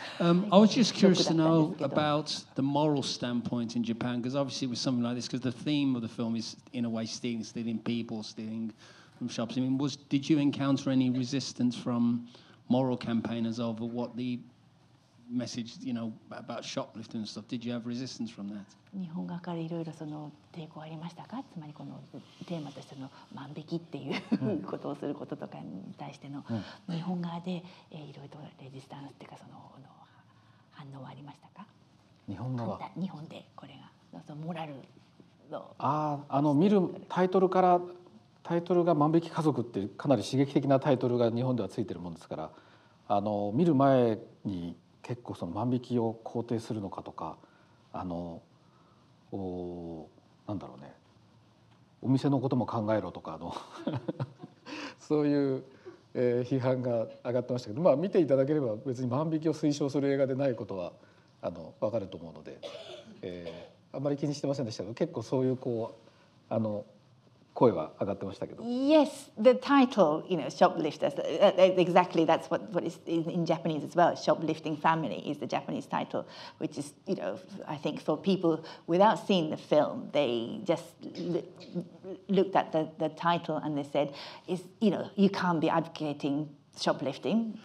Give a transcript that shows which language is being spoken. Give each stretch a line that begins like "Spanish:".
English: I was just curious to know about the moral standpoint in Japan, because obviously with something like this, because the theme of the film is, in a way, stealing people, stealing from shops. I mean, did you encounter any resistance from moral campaigners over what the message, you know, about shoplifting and stuff. Did you have resistance from that?
Japanese: 日本側からいろいろその抵抗ありましたか？つまりこのテーマとしての万引きっていうことをすることとかに対しての日本側でいろいろとレジスタンスっていうかその反応はありましたか？日本側。日本でこれがそのモラルの。ああ、あの見るタイトルから。タイトルが万引き家族ってかなり刺激的なタイトルが日本ではついてるもんですから、あの見る前に結構その万引きを肯定するのかとか、あのおなんだろうね、お店のことも考えろとかのそういう、批判が上がってましたけど、まあ見ていただければ別に万引きを推奨する映画でないことはあの分かると思うので、あんまり気にしてませんでしたけど、結構そういうこうあの声は上がってましたけど。
English: Yes, the title, you know, shoplifters. Exactly, that's what is in Japanese as well. Shoplifting Family is the Japanese title, which is, you know, I think for people without seeing the film, they just looked at the title and they said, is, you know, you can't be advocating shoplifting.